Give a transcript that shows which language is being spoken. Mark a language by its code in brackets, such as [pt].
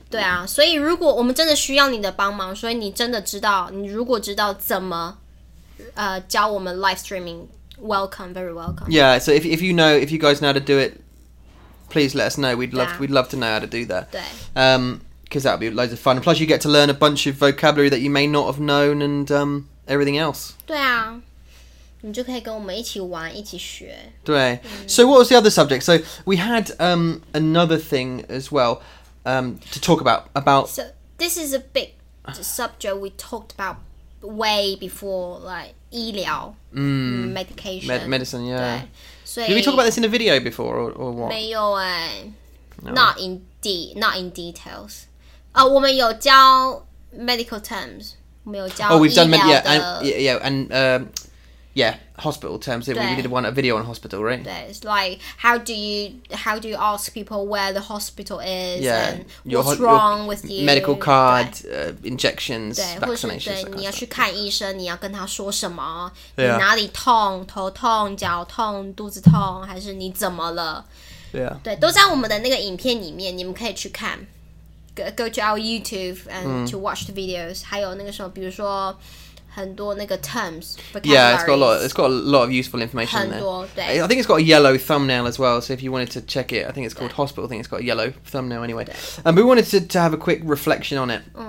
[zh] 对啊，所以如果我们真的需要你的帮忙，所以你真的知道，你如果知道怎么教我们 [en] live streaming, welcome, very welcome. Yeah, so if you guys know how to do it,Please let us know. We'd love to know how to do that. [zh] 对。 [en] Because that would be loads of fun. Plus, you get to learn a bunch of vocabulary that you may not have known and everything else. [zh] 对啊。你就可以跟我们一起玩，一起学。对。 [en] So, what was the other subject? So, we had another thing as well to talk about. So, this is a big subject we talked about way before, like, [zh] 医疗 [en] medication. Medicine, yeah. [zh] 对。 [en] Did we talk about this in a video before or what? [zh] 没有耶、欸 [en] no. Not in details. [zh] 我们有教 [en] medical terms. [zh] 我们有教医疗的。 [en] Oh, we've done hospital terms. We did a video on hospital, right? [zh] 对 [en] it's like how do you ask people where the hospital is and what's wrong with you? Medical card, injections, vaccinations. [zh] 对，或是对，你要去看医生，你要跟他说什么？ [en] Yeah. [zh] 你哪里痛？头痛、脚痛、肚子痛，还是你怎么了？ [en] Yeah. [zh] 对，都在我们的那个影片里面，你们可以去看。 [en] Go to our YouTube and to watch the videos. [zh] 还有那个时候，比如说。很多那个 [en] terms, vocabularies. Yeah, it's got a lot of useful information [zh] 很多, [en] in there. I think it's got a yellow thumbnail as well, so if you wanted to check it, I think it's called hospital, I think it's got a yellow thumbnail anyway. But we wanted to have a quick reflection on it.